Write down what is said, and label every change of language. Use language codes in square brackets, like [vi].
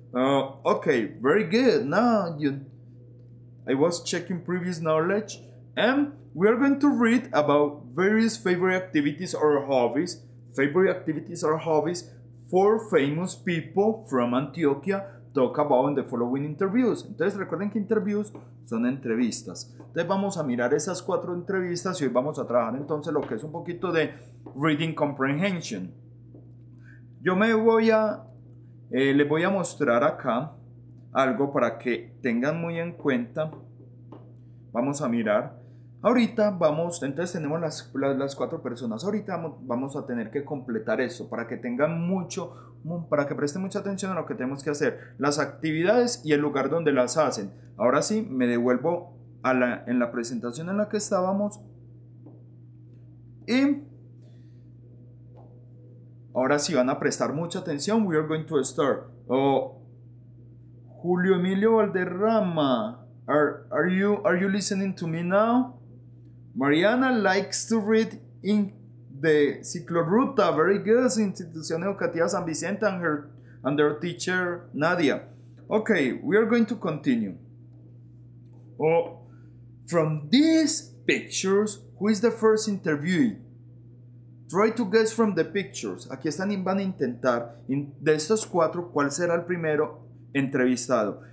[en] Okay, very good. Now, I was checking previous knowledge. And we are going to read about various favorite activities or hobbies. Favorite activities or hobbies for famous people from Antioquia talk about in the following interviews. [es] Entonces recuerden que interviews son entrevistas. Entonces vamos a mirar esas cuatro entrevistas y hoy vamos a trabajar entonces lo que es un poquito de reading comprehension. Yo me voy a, les voy a mostrar acá algo para que tengan muy en cuenta. Vamos a mirar. Ahorita vamos, entonces tenemos las cuatro personas. Ahorita vamos a tener que completar eso para que tengan mucho, para que presten mucha atención a lo que tenemos que hacer. Las actividades y el lugar donde las hacen. Ahora sí, me devuelvo a la presentación en la que estábamos. Y ahora sí van a prestar mucha atención. [en] We are going to start. Julio Emilio Valderrama, are you listening to me now? Mariana likes to read in the ciclorruta. Very good. Institución Educativa San Vicente and their teacher Nadia. Okay, we are going to continue. Oh, from these pictures, who is the first interviewee? Try to guess from the pictures. [es] Aquí están y van a intentar. De estos cuatro, ¿cuál será el primero entrevistado?